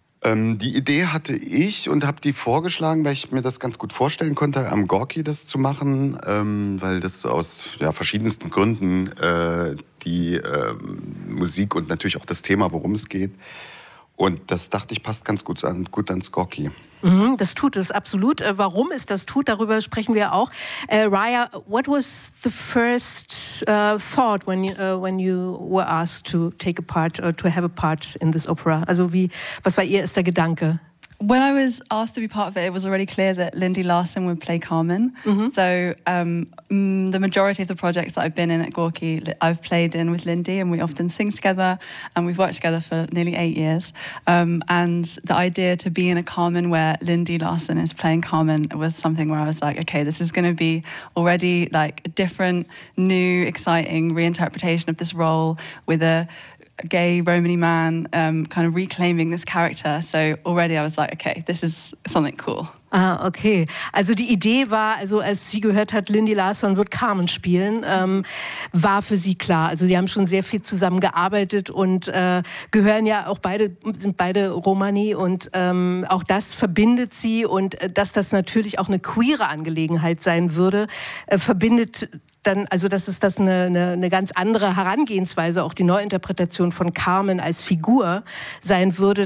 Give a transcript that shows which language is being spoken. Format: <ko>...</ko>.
<de>Die Idee hatte ich und habe die vorgeschlagen, weil ich mir das ganz gut vorstellen konnte, am Gorki das zu machen, weil das aus verschiedensten Gründen die Musik und natürlich auch das Thema, worum es geht. Und das, dachte ich, passt ganz gut ans Gorki. Mm-hmm, das tut es, absolut. Warum es das tut, darüber sprechen wir auch.</de> <en>Raya, what was the first thought when you were asked to take a part or to have a part in this opera?</en> <de>Also was war Ihr erster Gedanke?</de> <en>When I was asked to be part of it, it was already clear that Lindy Larson would play Carmen. Mm-hmm. So the majority of the projects that I've been in at Gorki, I've played in with Lindy, and we often sing together, and we've worked together for nearly 8 years. And the idea to be in a Carmen where Lindy Larson is playing Carmen was something where I was like, okay, this is going to be already like a different, new, exciting reinterpretation of this role with a gay Romany man kind of reclaiming this character. So already I was like, okay, this is something cool. Ah, okay.</en> <de>Also die Idee war, also als sie gehört hat, Lindy Larson wird Carmen spielen, war für sie klar. Also sie haben schon sehr viel zusammen gearbeitet und gehören ja auch beide, sind beide Romani und auch das verbindet sie und dass das natürlich auch eine queere Angelegenheit sein würde, verbindet dann, also das ist das eine ganz andere Herangehensweise, auch die Neuinterpretation von Carmen als Figur sein würde.</de>